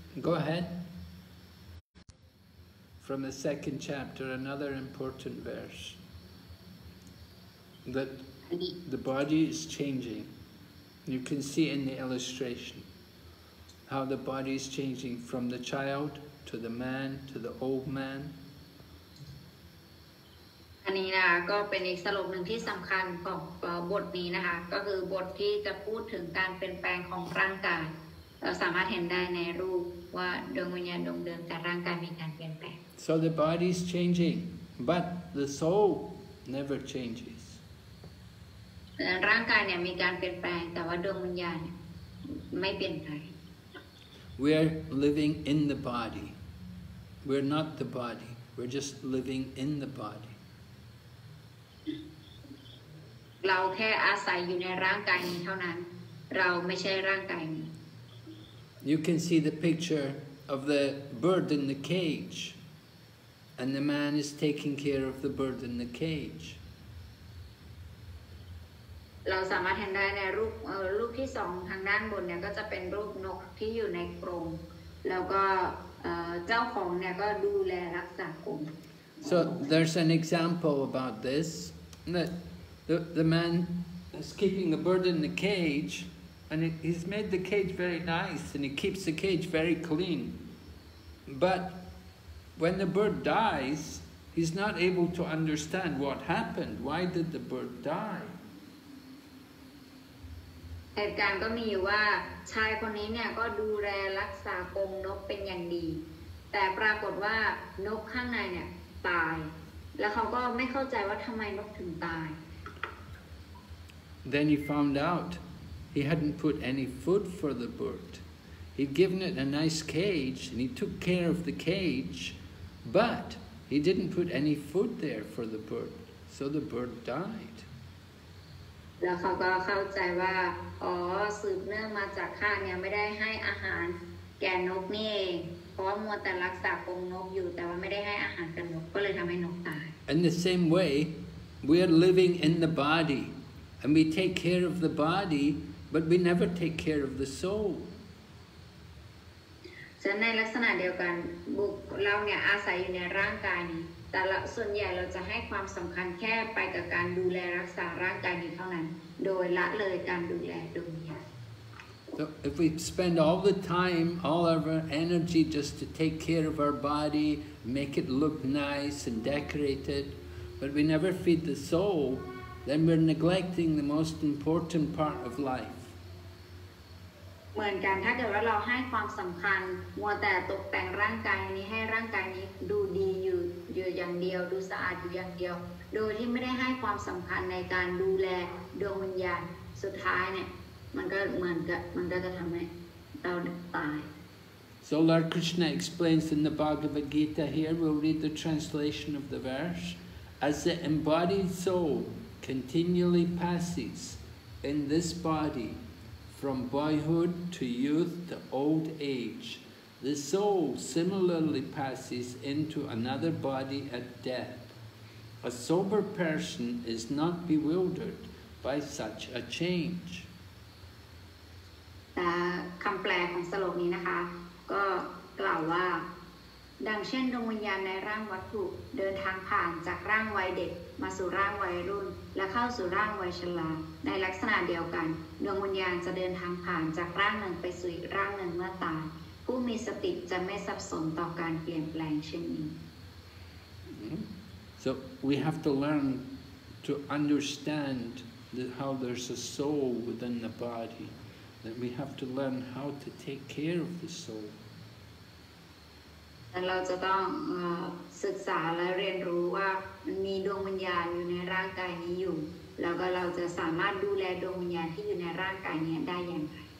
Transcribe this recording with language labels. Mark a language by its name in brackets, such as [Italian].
[English] Go ahead From the second chapter another important verse that the body is changing you can see in the illustration how the body is changing from the child to the man to the old man [Thai] อัันนี้นะคะก็เป็นอีกสรุปหนึ่งที่สำคัญของบทนี้นะคะก็คือบทที่จะพูดถึงการเปลี่ยนแปลงของร่างกายเราสามารถเห็นได้ในรูปว่าดวงวิญญาณดวงเดิมแต่ร่างกายมีการเปลี่ยนแปลง [English] So the body is changing but the soul never changes [Thai] ร่างกายเนี่ยมีการเปลี่ยนแปลงแต่ว่าดวงวิญญาณไม่เปลี่ยนไป [English] We are living in the body we're not the body we're just living in the body [Thai] เราแค่อาศัยอยู่ในร่างกายนี้เท่านั้นเราไม่ใช่ร่างกายนี้ [English] You can see the picture of the bird in the cage and the man is taking care of the bird in the cage [Thai] เราสามารถเห็นได้ในรูปที่2ทางด้านบนเนี่ยก็จะเป็นรูปนกที่อยู่ในกรงแล้วก็เจ้าของเนี่ยก็ดูแลรักษากรง [English] So there's an example about this thatThe man is keeping the bird in the cage, and he's made the cage very nice, and he keeps the cage very clean. But when the bird dies, he's not able to understand what happened. Why did the bird die? [Thai] เหตุการณ์ก็มีว่าชายคนนี้เนี่ยก็ดูแลรักษากรงนกเป็นอย่างดีแต่ปรากฏว่านกข้างในเนี่ยตายแล้วเขาก็ไม่เข้าใจว่าทำไมนกถึงตาย [English] Then he found out he hadn't put any food for the bird. He'd given it a nice cage and he took care of the cage, but he didn't put any food there for the bird, so the bird died. [Thai] แล้วเขาก็เข้าใจว่าอ๋อสืบเนื่องมาจากข้าเนี่ยไม่ได้ให้อาหารแก่นกนี่เองเพราะมัวแต่รักษากรงนกอยู่แต่ว่าไม่ได้ให้อาหารกับนกก็เลยทำให้นกตาย [English] In the same way, we are living in the body. And we take care of the body, but we never take care of the soul. [Thai] ฉะนั้นในลักษณะเดียวกันบุคคลเราเนี่ยอาศัยอยู่ในร่างกายนี้แต่ส่วนใหญ่เราจะให้ความสำคัญแค่ไปกับการดูแลรักษาร่างกายนี้เท่านั้นโดยละเลยการดูแลดวงวิญญาณ [English] So if we spend all the time, all of our energy just to take care of our body, make it look nice and decorate it, but we never feed the soul,then we're neglecting the most important part of life. [Thai] เหมือนกันถ้าเกิดว่าเราให้ความสำคัญมัวแต่ตกแต่งร่างกายนี้ให้ร่างกายนี้ดูดีอยู่อย่างเดียวดูสะอาดอยู่อย่างเดียวโดยที่ไม่ได้ให้ความสำคัญในการดูแลดวงวิญญาณสุดท้ายเนี่ยมันก็จะทำให้เราตาย [English] So Lord Krishna explains in the Bhagavad Gita here, we'll read the translation of the verse, as the embodied soulcontinually passes in this body from boyhood to youth to old age. The soul similarly passes into another body at death. A sober person is not bewildered by such a change. [Thai] คำแปลของสโลกนี้นะคะก็กล่าวว่าดังเช่นดวงวิญญาณในร่างวัตถุเดินทางผ่านจากร่างวัยเด็กมาสู่ร่างวัยรุ่นและเข้าสู่ร่างวัยชราในลักษณะเดียวกันดวงวิญญาณจะเดินทางผ่านจากร่างหนึ่งไปสู่อีกร่างหนึ่งเมื่อตายผู้มีสติจะไม่สับสนต่อการเปลี่ยนแปลงเช่นนี้ [English] So we have to learn to understand that how there's a soul within the body that we have to learn how to take care of the soul [Thai] แต่เราจะต้องศึกษาและเรียนรู้ว่ามันมีดวงวิญญาณอยู่ในร่างกายนี้อยู่แล้วก็เราจะสามารถดูแลดวงวิญญาณที่อยู่ในร่างกายนี้ได้อย่างไร